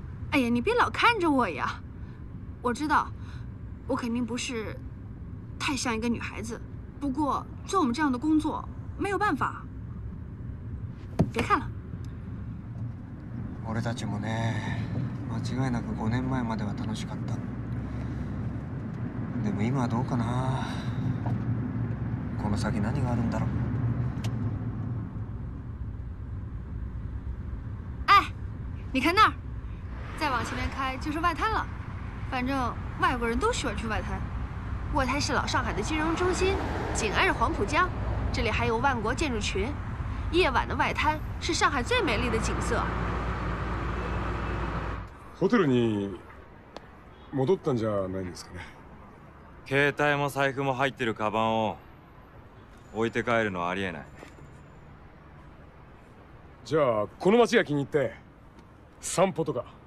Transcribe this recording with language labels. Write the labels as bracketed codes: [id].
[zh] 哎呀，你别老看着我呀！我知道，我肯定不是太像一个女孩子。不过做我们这样的工作，没有办法。别看了。 [ja] 俺たちもね、間違いなく5年前までは楽しかった。でも今はどうかな。この先何があるんだろう。 [zh] 哎，你看那儿，再往前面开就是外滩了。反正外国人都喜欢去外滩。外滩是老上海的金融中心，紧挨着黄浦江，这里还有万国建筑群。夜晚的外滩是上海最美丽的景色。 [ja] ホテルに戻ったんじゃないですかね。携帯も財布も入ってるカバンを置いて帰るのはありえない。じゃあこの街が気に入って散歩とか。